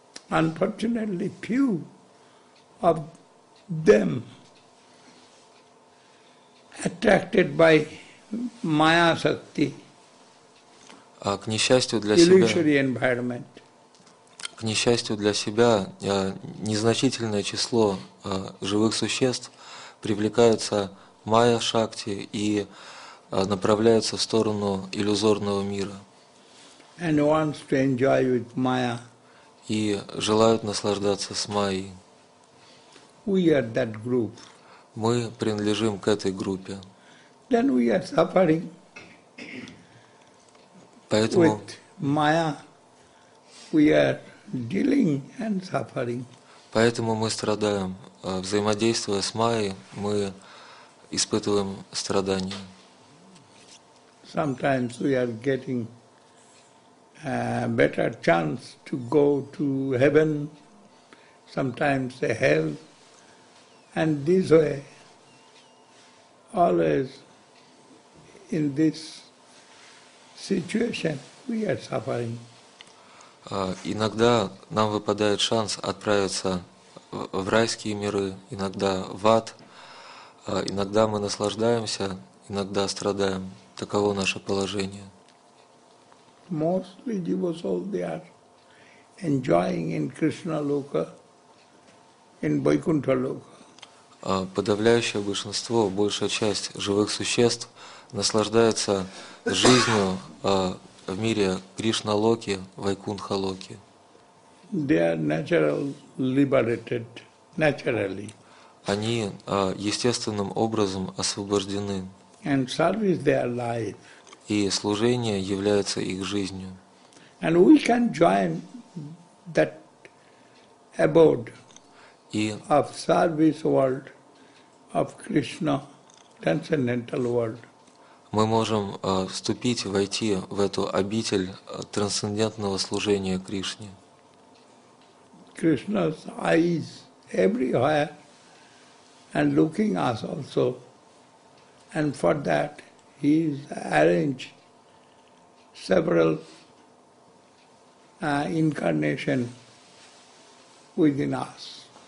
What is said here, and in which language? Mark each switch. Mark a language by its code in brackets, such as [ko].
[en] Unfortunately, few of them attracted by Maya Shakti. [ru] К несчастью для [en] illusory environment. [ru] К несчастью для себя, незначительное число живых существ привлекаются Maya Shakti и направляются в сторону иллюзорного мира. [en] And wants to enjoy with Maya. [ru] И желают наслаждаться с Майей. [en] We are that group. [ru] Мы принадлежим к этой группе. [en] Then we are suffering. [ru] Поэтому [en] with Maya we are dealing and suffering. [ru] Поэтому мы страдаем. Взаимодействуя с Майей, мы испытываем страдания. [en] Sometimes we are getting a better chance to go to heaven, sometimes to hell, and this way, always in this situation, we are suffering. [ru] Иногда нам выпадает шанс отправиться в райские миры, иногда в ад. Иногда мы наслаждаемся, иногда страдаем. Таково наше положение. [en] Mostly jiva soul they are enjoying in Krishna loka, in Vaikuntha loka. [ru] Подавляющее большинство, большая часть живых существ наслаждается жизнью в мире Кришна локи, Вайкунтха локи. [en] They are naturally liberated, naturally. [ru] Они естественным образом освобождены. [en] And service their life. [ru] И служение является их жизнью. [en] And we can join that abode of service world, of Krishna, transcendental world. [ru] Мы можем вступить, войти в эту обитель трансцендентного служения Кришне. [en] Krishna's eyes everywhere and looking us also, and for that he is arranged several incarnation within us.